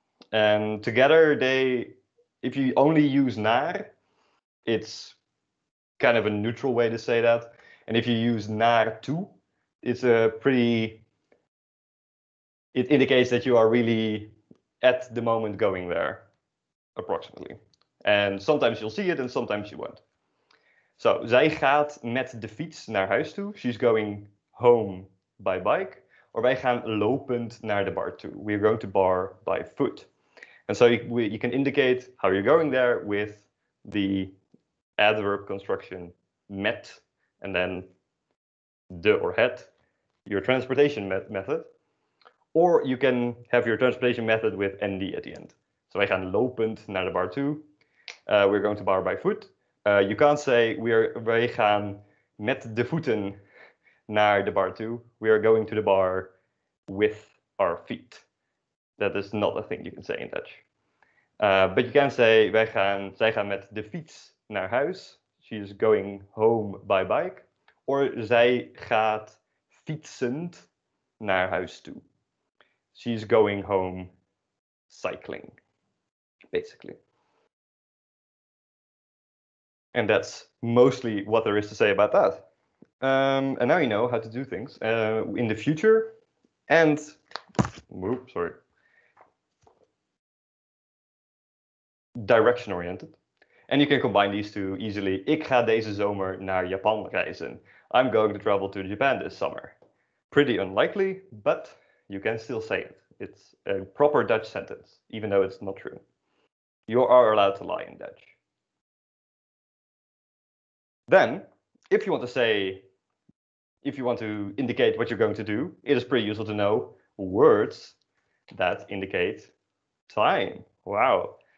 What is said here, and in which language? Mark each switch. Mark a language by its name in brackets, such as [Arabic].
[English] And together they, if you only use naar, it's kind of a neutral way to say that. And if you use naar to, it's a pretty, it indicates that you are really at the moment going there, approximately. And sometimes you'll see it and sometimes you won't. [Dutch] So, zij gaat met de fiets naar huis toe. [English] She's going home by bike. [Dutch] Or wij gaan lopend naar de bar toe. [English] We're going to bar by foot. And so you can indicate how you're going there with the adverb construction met. And then de or het, your transportation method. Or you can have your transportation method with nd at the end. [Dutch] So wij gaan lopend naar de bar toe. [English] We're going to bar by foot. You can't say [Dutch] wij gaan met de voeten naar de bar toe. [English] We are going to the bar with our feet. That is not a thing you can say in Dutch. But you can say [Dutch] zij gaan met de fiets naar huis. [English] She is going home by bike. [Dutch] Or zij gaat fietsend naar huis toe. [English] She is going home cycling, basically. And that's mostly what there is to say about that. And now you know how to do things in the future. And, direction-oriented. And you can combine these two easily. [Dutch] Ik ga deze zomer naar Japan reizen. [English] I'm going to travel to Japan this summer. Pretty unlikely, but you can still say it. It's a proper Dutch sentence, even though it's not true. You are allowed to lie in Dutch. Then, if you want to say, if you want to indicate what you're going to do, it is pretty useful to know words that indicate time. Wow.